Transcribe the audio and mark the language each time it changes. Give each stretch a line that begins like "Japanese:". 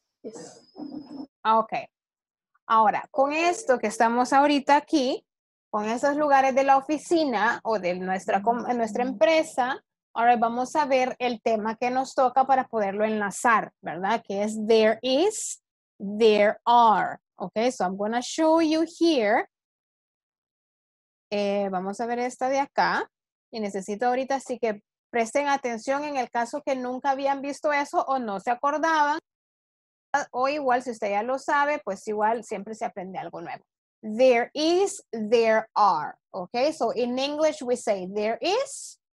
English: Yes. Okay.
Spanish: Ahora, con esto que estamos ahorita aquí, con esos lugares de la oficina o de nuestra empresa, ahora vamos a ver el tema que nos toca para poderlo enlazar, ¿verdad? Que es
English: there is, there are. Ok, so I'm going to show you here.
Spanish: Vamos a ver esta de acá. Y necesito ahorita, así que presten atención en el caso que nunca habían visto eso o no se acordaban. O igual, si usted ya lo sabe, pues igual siempre se aprende algo nuevo.
English: There is, there are. Ok, so in English we say there is.